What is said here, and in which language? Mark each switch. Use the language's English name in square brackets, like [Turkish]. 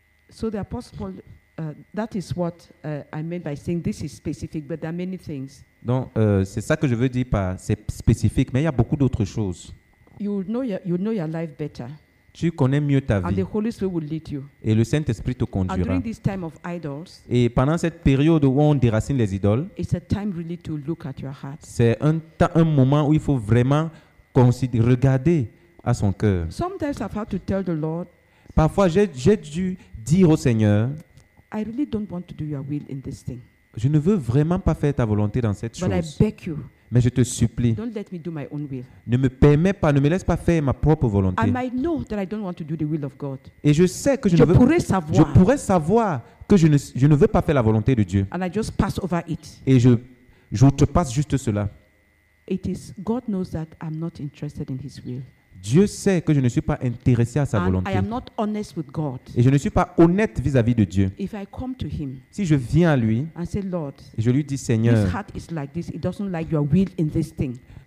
[English] So the Apostle Paul, that is what I mean by saying this is specific, but there are many things. [French] Donc, c'est ça que je veux dire par c'est spécifique, mais il y a beaucoup d'autres choses. [English] You know your life better. [French] Tu connais mieux ta vie. [English] And the Holy Spirit will lead you. [French] Et le Saint-Esprit te conduira. [English] And during this time of idols, [French] et pendant cette période où on déracine les idoles, [English] it's a time really to look at your heart. [French] C'est un moment où il faut vraiment regarder à son cœur. [English] Sometimes I've had to tell the Lord, [French] parfois, j'ai dû dire au Seigneur, [English] I really don't want to do your will in this thing. [French] Je ne veux vraiment pas faire ta volonté dans cette [English] But [French] chose. [English] I beg you, [French] mais je te supplie. [English] Don't let me do my own will. [French] Ne me permets pas, ne me laisse pas faire ma propre volonté. [English] I might know that I don't want to do the will of God. [French] Et je sais que je ne veux pas. Je pourrais savoir que je ne veux pas faire la volonté de Dieu. [English] And I just pass over it. [French] Et je te passe juste cela. [English] It is God knows that I'm not interested in His will. [French] Dieu sait que je ne suis pas intéressé à sa [English] And [French] volonté. [English] I am not honest with God. [French] Et je ne suis pas honnête vis-à-vis de Dieu. [English] If I come to him, [French] si je viens à lui, [English] and say, Lord, [French] et je lui dis, Seigneur, [English] his heart is like this. He doesn't like your will in this thing.